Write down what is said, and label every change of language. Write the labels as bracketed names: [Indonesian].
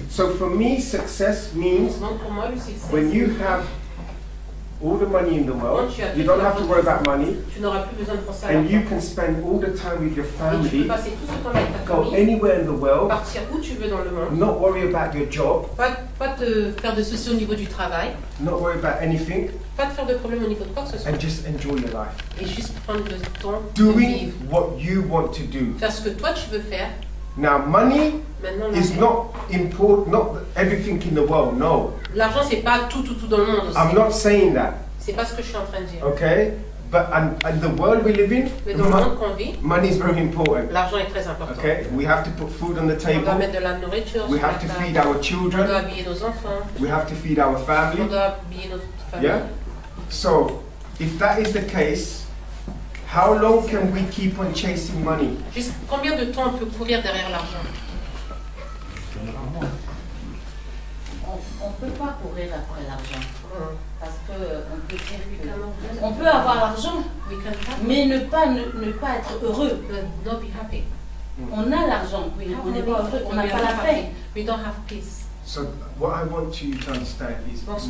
[English] So for me, success means when you have all the money in the world, you don't have to worry about money, and you can spend all the time with your family, go anywhere in the world, not worry about your job, [French] pas te faire de soucis au niveau du travail, [English] not worry about anything, [French] pas te faire de problème au niveau de quoi que ce soit, [English] and just enjoy your life, [French] et juste prendre le temps [English] doing [French] de vivre, [English] what you want to do, [French] faire ce que toi tu veux faire. [English] Now money is not important, not everything in the world. No. [French] L'argent c'est pas tout dans le monde. [English] I'm not saying that. [French] C'est pas ce que je suis en train de dire. [English] Okay, but and the world we live in. [French] Mais dans le monde qu'on vit. [English] Money is very important. [French] L'argent est très important. [English] Okay, we have to put food on the table. [French] On doit mettre de la nourriture. [English] We have to feed our children. [French] On doit habiller nos enfants. [English] We have to feed our family. [French] On doit habiller notre famille. [English] Yeah. So, if that is the case. How long can we keep on chasing money? [French] Juste combien de temps on peut courir derrière l'argent? On peut pas courir après l'argent. Parce que on peut dire que on peut avoir l'argent, mais ne pas être heureux. [English] Not be happy. [French] On a l'argent, on n'est pas heureux, on n'a pas la paix. [English] We don't have peace. So what I want you to understand is